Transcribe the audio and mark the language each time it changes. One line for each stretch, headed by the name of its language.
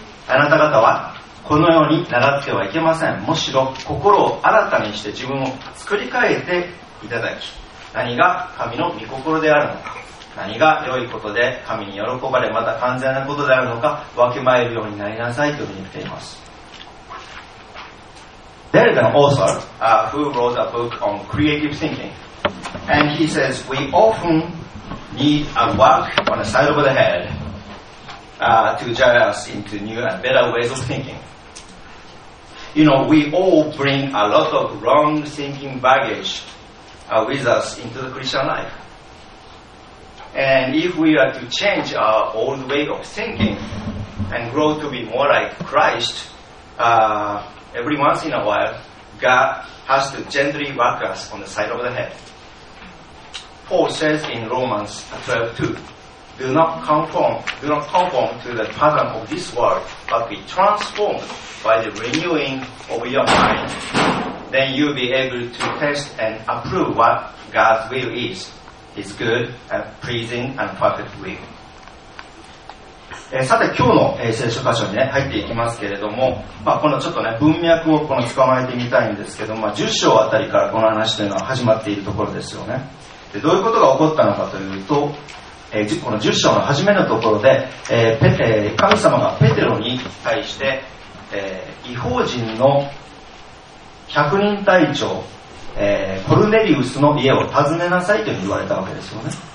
Japanese: あなた方はこのように習ってはいけません。むしろ心を新たにして自分を作り変えていただき、何が神の御心であるのか、何が良いことで神に喜ばれまた完全なことであるのか、わきまえるようになりなさいというふうに言っています。
English: There is an author who wrote a book on creative thinking and he says we often need a whack on the side of the head to guide us into new and better ways of thinking. You know, we all bring a lot of wrong thinking baggage with us into the Christian life. And if we are to change our old way of thinking and grow to be more like Christ, every once in a while, God has to gently whack us on the side of the head. Paul says in Romans 12:2, do not conform to the pattern of this world, but be transformed by the renewing of your mind. Then you'll be able to test and approve what God's will is, His good and pleasing and perfect will.
Japanese: さて今日の聖書箇所に、ね、入っていきますけれども、まあ、このちょっとね文脈をこの捕まえてみたいんですけども、まあ、10章あたりからこの話というのは始まっているところですよね。でどういうことが起こったのかというと、この10章の初めのところで、神様がペテロに対して、異邦人の百人隊長、コルネリウスの家を訪ねなさいと言われたわけですよね。